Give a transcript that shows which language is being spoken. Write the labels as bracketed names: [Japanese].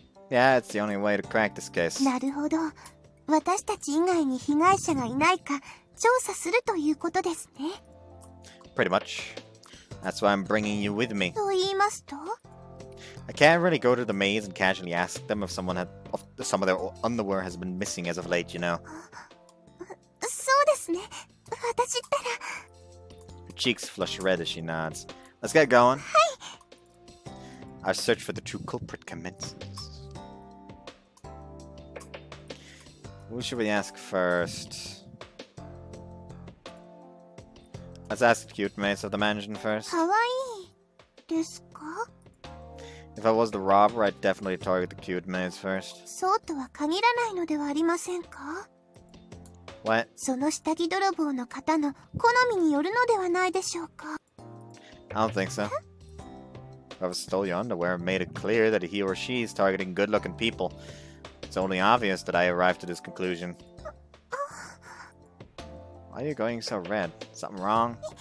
[English] Yeah, it's the only way to crack this case. [Japanese] なるほど。私たち以外に被害者がいないか調査するということですね。 [English] Pretty much. That's why I'm bringing you with me. [Japanese] と言いますと? [English] I can't really go to the maze and casually ask them if someone had, if some of their underwear has been missing as of late, you know. [Japanese] そうですね。私ったら。 [English] Her cheeks flush red as she nods. Let's get going. [Japanese] はい。 [English] Our search for the true culprit commences. Who should we ask first? Let's ask the cute mates of the mansion first. [Japanese] かわいいですか? [English] If I was the robber, I'd definitely target the cute mates first. [Japanese] そうとは限らないのではありませんか? [English] What? [Japanese] その下着泥棒の方の好みによるのではないでしょうか? [English] I don't think so. Whoever stole your underwear made it clear that he or she is targeting good-looking people. It's only obvious that I arrived at this conclusion. Why are you going so red? Something wrong?